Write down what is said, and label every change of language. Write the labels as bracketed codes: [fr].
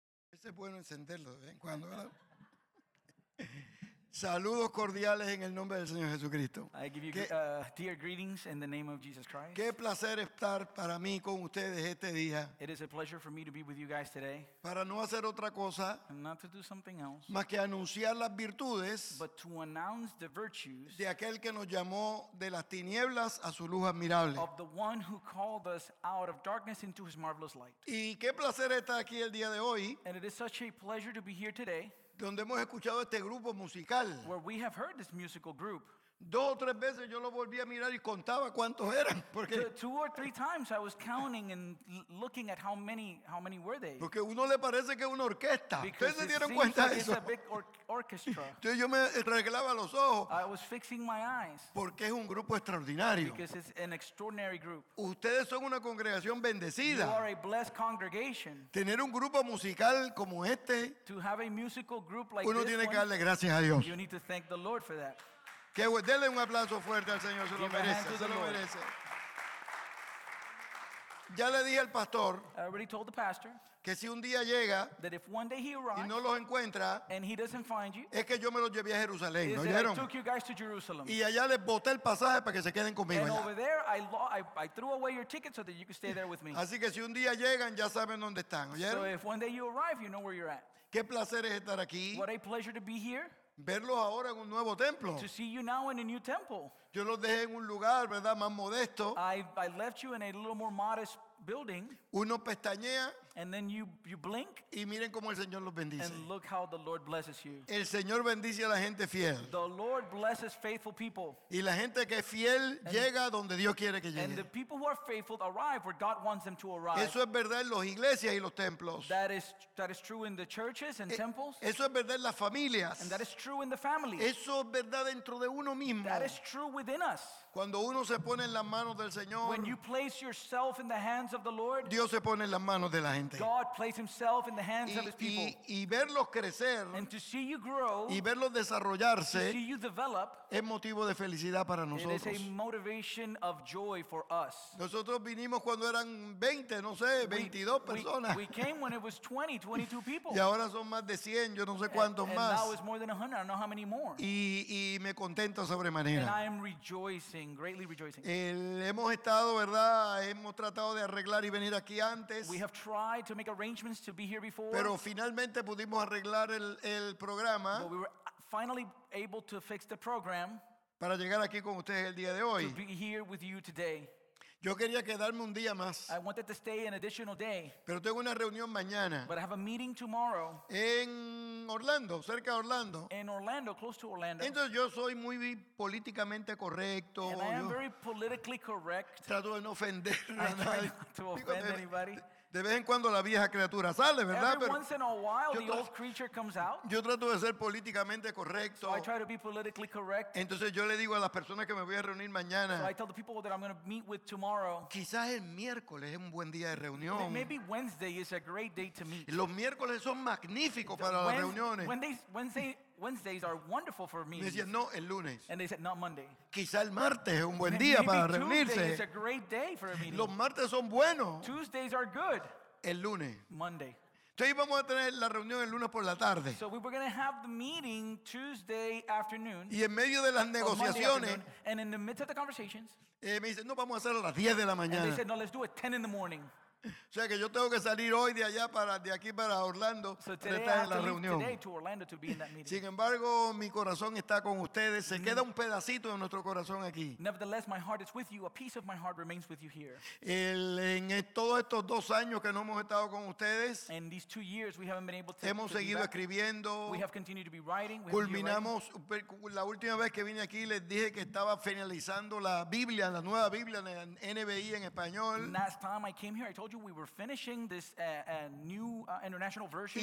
[es] Ese es bueno encenderlo de vez en cuando, ¿verdad? Saludos cordiales en el nombre del Señor Jesucristo. [en] I give you dear greetings in the name of Jesus Christ. [es] Qué placer estar para mí con ustedes este día. [en] It is a pleasure for me to be with you guys today. [es] Para no hacer otra cosa, [en] not to do something else, [es] más que anunciar las virtudes, [en] but to announce the virtues, [es] de aquel que nos llamó de las tinieblas a su luz admirable, [en] of the one who called us out of darkness into his marvelous light. [es] Y qué placer estar aquí el día de hoy. [en] And it is such a pleasure to be here today. [es] Donde hemos escuchado este grupo musical. [en] Where we have heard this musical group. [es] Dos o tres veces yo lo volví a mirar y contaba cuántos eran. Porque [en] two or three times I was counting and looking at how many were they. [es] Porque uno le parece que es una orquesta. ¿Ustedes se dieron cuenta de eso? [en] A big orchestra. [es] Entonces yo me arreglaba los ojos. [en] I was fixing my eyes. [es] Porque es un grupo extraordinario. [en] Because it's an extraordinary group. [es] Ustedes son una congregación bendecida. [en] You are a blessed congregation. [es] Tener un grupo musical como este. [en] To have a musical group like [es] uno [en] this [es] tiene [en] one, [es] que darle gracias a Dios. [en] You need to thank the Lord for that. [es] Que denle un aplauso fuerte al Señor, se lo merece, se lo merece. Ya le dije al pastor, [en] I already told the pastor [es] que si un día llega [en] that if one day he arrives, [es] y no los encuentra [en] and he doesn't find you, [es] es que yo me los llevé a Jerusalén, ¿no [en] oyeron? Took you guys to Jerusalem. [es] Y allá les boté el pasaje para que se queden conmigo. [en] And over there I threw away your ticket so that you could stay there with me. [es] Así que si un día llegan ya saben dónde están, ¿oyeron? [en] So if one day you arrive you know where you're at. [es] Qué placer es estar aquí. [en] What a pleasure to be here. [es] Verlos ahora en un nuevo templo. [en] To see you now in a new temple. [es] Yo los dejé en un lugar, ¿verdad? Más modesto. [en] I left you in a little more modest building. [es] Uno pestañea. [en] And then you blink. [es] Y miren cómo el Señor los bendice. [en] And look how the Lord blesses you. [es] El Señor bendice a la gente fiel. [en] The Lord blesses faithful people. [es] Y la gente que es fiel and llega donde Dios quiere que llegue. [en] And the people who are faithful arrive where God wants them to arrive. [es] Eso es verdad en las iglesias y los templos. [en] That is true in the churches and temples. [es] Eso es verdad en las familias. [en] And that is true in the family. [es] Eso es verdad dentro de uno mismo. [en] That is true within us. [es] Cuando uno se pone en las manos del Señor, [en] when you place yourself in the hands of the Lord, [es] Dios se pone en las manos de la gente. [en] God places himself in the hands of his people. [es] Y verlos crecer, [en] and to see you grow, [es] y verlos desarrollarse, [en] to see you develop, [es] es motivo de felicidad para nosotros. [en] It is a motivation of joy for us. [es] Nosotros vinimos cuando eran 20, no sé, 22 personas. [en] We came when it was 20, 22 people. [es] Y ahora son más de 100, yo no sé cuántos más. [en] And now it's more than 100, I don't know how many more. [es] Y me contento sobremanera. [en] And I am rejoicing, greatly rejoicing. [es] Hemos estado, ¿verdad? Hemos tratado de arreglar y venir aquí antes. [en] We have tried to make arrangements to be here before. [es] Pero finalmente pudimos arreglar el programa. [en] But we were finally able to fix the program. [es] Para llegar aquí con ustedes el día de hoy. [en] To be here with you today. [es] Yo quería quedarme un día más. [en] I wanted to stay an additional day. [es] Pero tengo una reunión mañana. [en] But I have a meeting tomorrow. [es] En Orlando, cerca de Orlando. [en] In Orlando, close to Orlando. [es] Entonces yo soy muy políticamente correcto. [en] And I am very politically correct. [es] Trato de no ofender a nadie. [en] I try not to offend anybody. [es] De vez en cuando la vieja criatura sale, ¿verdad? [en] Every once in a while, the old creature comes out. [es] Yo trato de ser políticamente correcto. [en] So I try to be politically correct. [es] Entonces yo le digo a las personas que me voy a reunir mañana. [en] So I tell the people that I'm going to meet with tomorrow. [es] Quizás el miércoles es un buen día de reunión. [en] Maybe Wednesday is a great day to meet. [es] Los miércoles son magníficos para las reuniones. [en] Wednesdays are wonderful for me. [es] Decía, no, el lunes. [en] And they said, not Monday. [es] Quizá el martes es un buen [en] Maybe [es] día para reunirse. [en] Tuesday is a great day for a meeting. [es] Los martes son buenos. [en] Tuesdays are good. [es] El lunes. [en] Monday. [es] Entonces íbamos a tener la reunión el lunes por la tarde. [en] So we were going to have the meeting Tuesday afternoon. [es] Y en medio de las negociaciones. [en] And in the midst of the conversations. [es] Me dice, no, vamos a hacer a las 10 de la mañana. [en] And they said, no, let's do it 10 in the morning. [es] O sea que yo tengo que salir hoy de allá para de aquí para Orlando para estar en la reunión. Sin embargo, mi corazón está con ustedes. Se queda un pedacito de nuestro corazón aquí. [en] Nevertheless, my heart is with you. A piece of my heart remains with you here. [es] En todos estos dos años que no hemos estado con ustedes, [en] in these two years we haven't been able to. [es] Hemos seguido escribiendo. [en] We have continued to be writing. [es] Culminamos la última vez que vine aquí les dije que estaba finalizando la Biblia, la nueva Biblia en NBI en español. [en] Last time I came here, I told you we were finishing this new international version